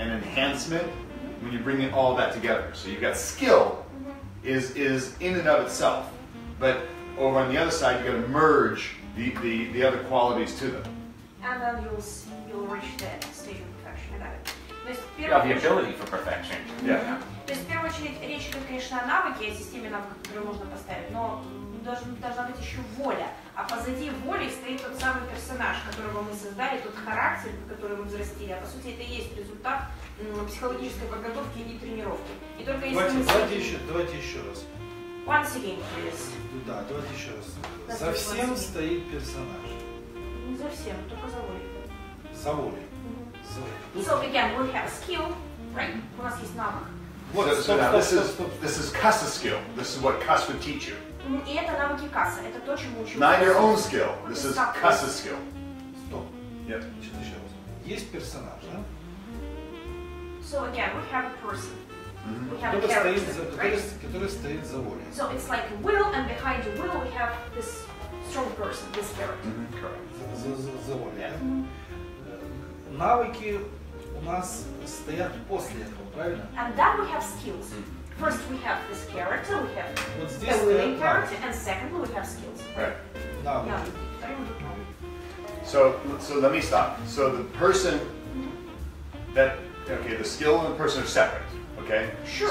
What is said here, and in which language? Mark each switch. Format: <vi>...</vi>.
<en>and enhancement, mm-hmm. when you bring it all that together. So you've got skill, mm-hmm. is in and of itself, mm-hmm. but over on the other side, you've got to merge the other qualities to them. And then you'll reach the stage of perfection without it. The ability for perfection. Yeah.</en> <ru>То есть, в первую очередь, речь идет, конечно, о навыке, о системе навыков, которые можно поставить, но должна быть еще воля. А позади воли стоит тот самый персонаж, которого мы создали, тот характер, который мы взрастили. А по сути, это и есть результат психологической подготовки и тренировки. И только если давайте еще раз.</ru> <en>Once again, please.</en> <ru>Да, давайте еще раз. За всем стоит персонаж. Не за всем, только за волей. За волей.</ru> <en>Mm-hmm. So again, we have skill, right?</en> <ru>У нас есть навык.</ru> <en>This is Cus's skill. This is what Cus would teach you.</en> <ru>Mm-hmm. И это навыки Каса. Это то, чему учил.</ru> <en>Not your own skill. This is Cus's skill.</en> <ru>Стоп. Нет. Сейчас еще раз. Есть персонаж, да?</ru> <en>So again, we have a person.</en> <ru>Который стоит за волей.</ru> <en>So it's like will, and behind the will we have this strong person, this character.</en> <ru>Mm-hmm. За волей. Yeah. Mm-hmm. Навыки у нас стоят после этого, правильно?</ru> <en>And then we have skills. Mm-hmm. First we have this character, we have the willing character, and secondly we have skills. Right. Навыки. So let me stop. So the person the skill and the person are separate. Okay? Sure.</en>